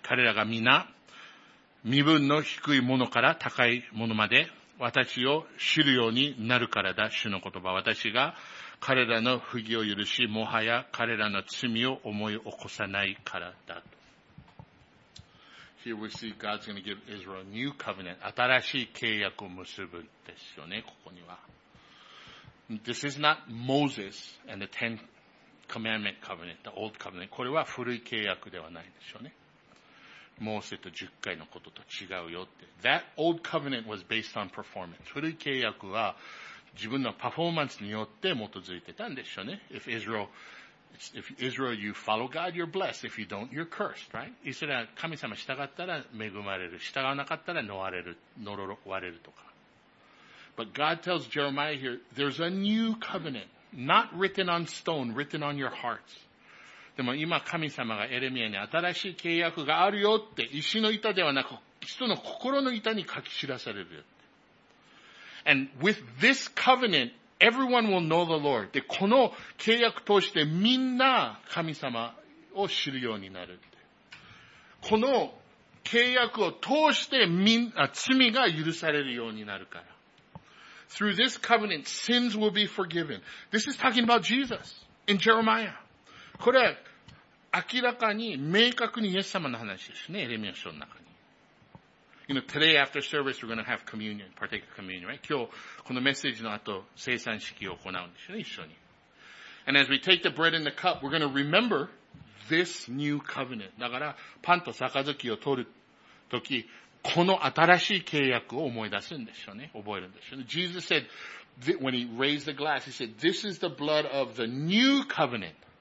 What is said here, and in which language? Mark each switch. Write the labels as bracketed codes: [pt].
[ja] 彼らが皆、身分の低いものから高いものまで、私を知るようになるからだ、主の言葉。私が彼らの不義を許し、もはや彼らの罪を思い起こさないからだ。 [en] Here we see God's going to give Israel a new covenant. [ja] 新しい契約を結ぶですよね、ここには。 [en] This is not Moses and the Ten Commandment Covenant, the old covenant. [ja] これは古い契約ではないでしょうね。モーセと十回のことと違うよって。 [en] That old covenant was based on performance. [ja] 古い契約は自分のパフォーマンスによって基づいてたんでしょうね。 [en] If Israel, you follow God, you're blessed. If you don't, you're cursed, right? [ja] イスラエル、神様従ったら恵まれる。従わなかったら呪われるとか。 [en] But God tells Jeremiah here, there's a new covenant, not written on stone, written on your hearts. [ja] でも今神様がエレミアに新しい契約があるよって、石の板ではなく、人の心の板に書き知らされる。 [en] And with this covenant, everyone will know the Lord. [ja] で、この契約通してみんな神様を知るようになる。この契約を通して罪が許されるようになるから。 [en] Through this covenant, sins will be forgiven. This is talking about Jesus in Jeremiah. [ja] これは明らかに明確にイエス様の話ですね、エレミア書の中に。 [en] You know, today after service, we're going to have communion, partake of communion, right? [ja] 今日このメッセージの後、聖餐式を行うんですね、一緒に。 [en] And as we take the bread and the cup, we're going to remember this new covenant. [ja] だから、パンと杯を取るとき、この新しい契約を思い出すんでしょうね。覚えるんでしょうね。 [en] Jesus said, when he raised the glass, he said, this is the blood of the new covenant.